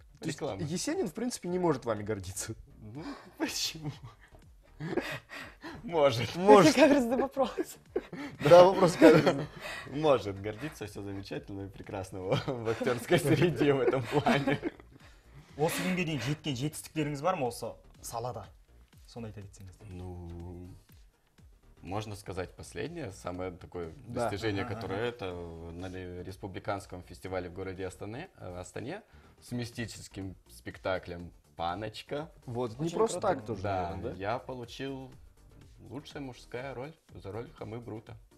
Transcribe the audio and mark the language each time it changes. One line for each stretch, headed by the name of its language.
Russian: То реклама. Есть Есенин, в принципе, не может вами гордиться. Ну, почему? Может. Может. Каверзный вопрос. Да, вопрос каверзный. Может гордиться, все замечательно и прекрасно в актерской среде в этом плане.
Kazakh: Осы күнге дейін жеткен жетістіктеріңіз бар ма осы салада? Соны айта кетсеңіз.
Russian: Ну, можно сказать, последнее, самое такое достижение, которое это на республиканском фестивале в городе Астане с мистическим спектаклем «Паночка». Вот, очень не просто круто. Так тоже, да, наверное, да? Я получил лучшая мужская роль за роль Хамы Брута.